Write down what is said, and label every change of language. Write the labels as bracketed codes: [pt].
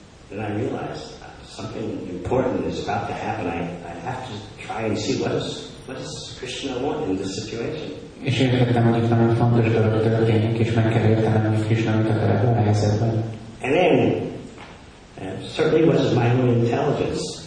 [en] And then I realized something important is about to happen. I have to try and see what does Krishna want in this situation. [hu] És értettem, hogy itt nagyon fontos dolog történik, és meg kell értenem, hogy Krishna mit akar ebben a helyzetben. [en] And then, certainly was my own intelligence.